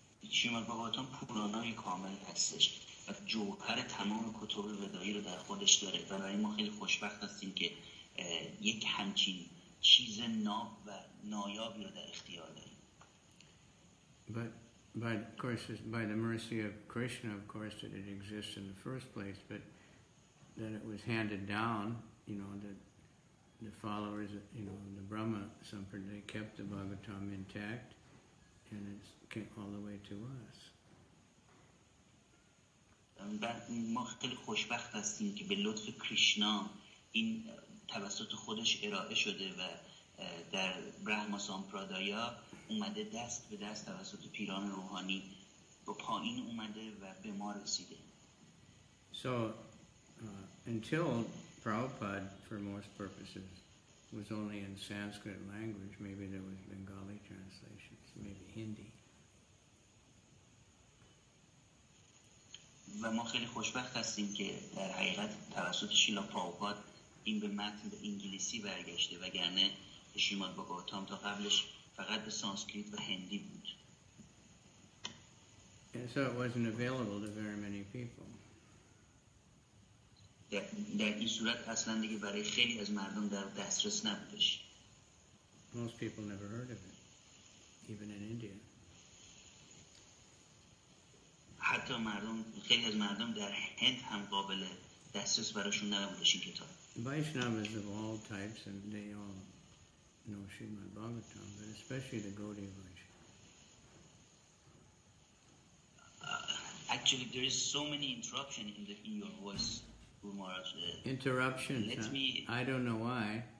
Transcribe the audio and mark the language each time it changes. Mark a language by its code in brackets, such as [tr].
[fa] شیمان باباتان پورانای کامل هستش و جوهر تمام کتب ودایی رو در خودش داره و برای ما خیلی خوشبخت هستیم که یک همچین چیز ناب و نایابی رو در اختیار داریم. [en] But of course by the mercy of Krishna, of course, that it exists in the first place, but that it was handed down, you know, that the followers, you know, the Brahma Sampradaya, they kept the Bhagavatam intact and it's came all the way to us. [fa] ما خیلی خوشبخت هستیم که به لطف کریشنا این توسط خودش ارائه شده و در برهما سامپرادایا اومده دست به دست توسط پیران روحانی به پایین اومده و به ما رسیده. [en] So until Prabhupada, for most purposes, was only in Sanskrit language, maybe there was Bengali translations, maybe Hindi. [fa] و ما خیلی خوشبخت هستیم که در حقیقت توسط شیلا پراوپاد این به متن به انگلیسی برگشته وگرنه شریمد بھاگوتم تا قبلش فقط به سانسکریت و هندی بود. [en] And so it wasn't available to very many people. [fa] در این صورت اصلا دیگه برای خیلی از مردم در دسترس نبودش. [en] Most people never heard of it, even in India. [fa] حتی مردم خیلی از مردم در هند هم قابل دسترس براشون نبودش این کتاب. [en] Vaishnavas of all types and they all know Srimad Bhagavatam, but especially the Gaudiya Vaishnavas. Actually, there is so many interruptions in your voice, Guru Maharaj. Interruptions? I don't know why.